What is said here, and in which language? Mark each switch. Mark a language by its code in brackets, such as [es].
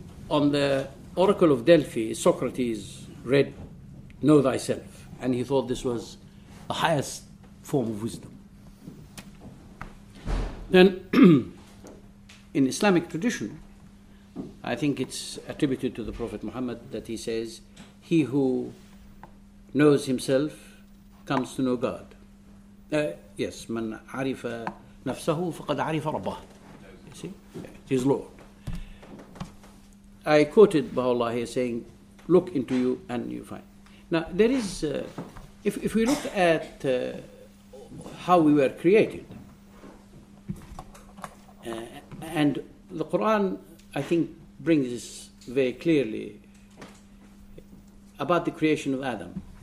[en] On the Oracle of Delphi, Socrates read, "Know thyself," and he thought this was the highest form of wisdom. Then, in Islamic tradition, I think it's attributed to the Prophet Muhammad that he says, he who knows himself comes to know God. [ar] Yes, من عرف نفسه فقد عرف ربه. [en] You see? His Lord. I quoted Baha'u'llah here saying, look into you and you find. Now, there is, if we look at how we were created, and the Quran, I think, brings this very clearly about the creation of Adam.